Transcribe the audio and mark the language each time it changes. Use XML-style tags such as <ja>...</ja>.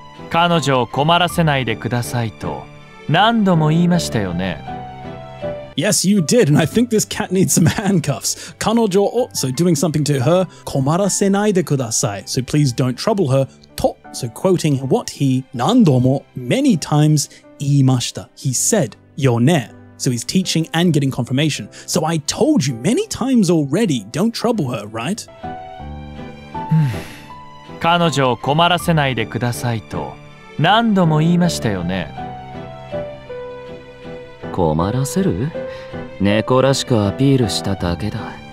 <ja>彼女を困らせないでくださいと何度も言いましたよね。</ja> <en>Yes, you did, and I think this cat needs some handcuffs.</en> <ja>彼女を、</ja> <en>so doing something to her,</en> <ja>困らせないでください。</ja> <en>So please don't trouble her, と、so quoting what he</en> <ja>何度も</ja> <en>many times</en> <ja>言いました。</ja> <en>He said,</en> <ja>よね。</ja> <en>So he's teaching and getting confirmation. So I told you many times already, don't trouble her, right?</en> <ja>彼女を困らせないでくださいと何度も言いましたよね。困らせる？猫らしくアピールしただけだ。</ja>